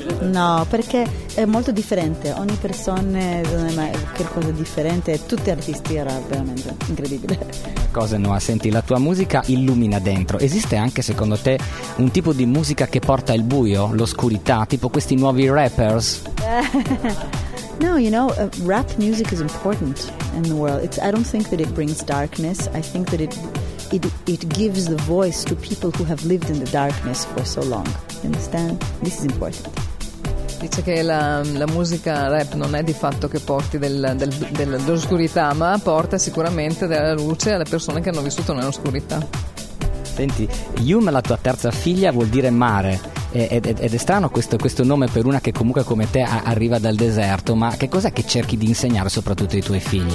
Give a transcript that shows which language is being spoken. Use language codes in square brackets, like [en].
[it] No, perché è molto differente, ogni persona non è mai qualcosa di differente, tutti artisti, era veramente incredibile. Cose nuove, senti, la tua musica illumina dentro, esiste anche secondo te un tipo di musica che porta il buio, l'oscurità, tipo questi nuovi rappers? [en] No, you know, rap music is important in the world. I don't think that it brings darkness, I think that it gives the voice to people who have lived in the darkness for so long. You understand? This is important. [it] Dice che la musica rap non è di fatto che porti dell'oscurità, ma porta sicuramente della luce alle persone che hanno vissuto nell'oscurità. Senti, Yume, la tua terza figlia, vuol dire mare. Ed è strano questo nome per una che comunque come te arriva dal deserto, ma che cos'è che cerchi di insegnare soprattutto ai tuoi figli?